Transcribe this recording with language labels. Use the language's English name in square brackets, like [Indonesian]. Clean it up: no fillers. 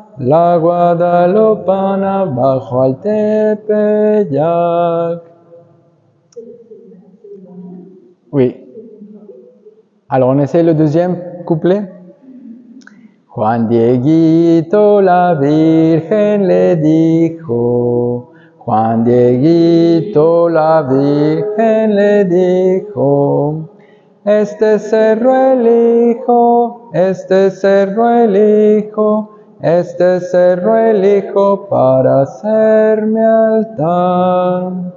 [Spanish] La Guadalupana bajo el Tepeyac. [French] Oui. Alors, on essaie le deuxième couplet. [Spanish] Juan Dieguito, la Virgen le dijo. Juan Dieguito, la Virgen le dijo. Este cerro elijo, este cerro elijo para hacer mi altar.